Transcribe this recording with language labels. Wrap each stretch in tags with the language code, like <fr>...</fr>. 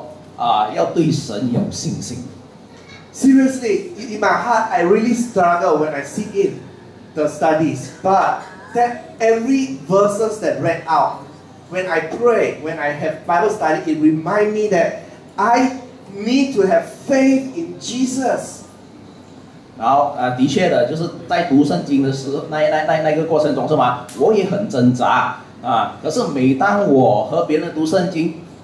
<zh>然后另外一个能够帮助到我的呢，就是我那段时间有机会就是参与和一些朋友们读圣经。然后读圣经的过程中上，不单单只是就是说帮助对方了解神、认识神，同时也提醒了我自己，就是说要对神有信心。</zh> <en>Seriously, in my heart, I really struggle when I sit in the studies. But that every verses that read out, when I pray, when I have Bible study, it reminds me that I need to have faith in Jesus.</en> <zh>然后，的确的，就是在读圣经的时候，那个过程中是吗？我也很挣扎，可是每当我和别人读圣经。</zh>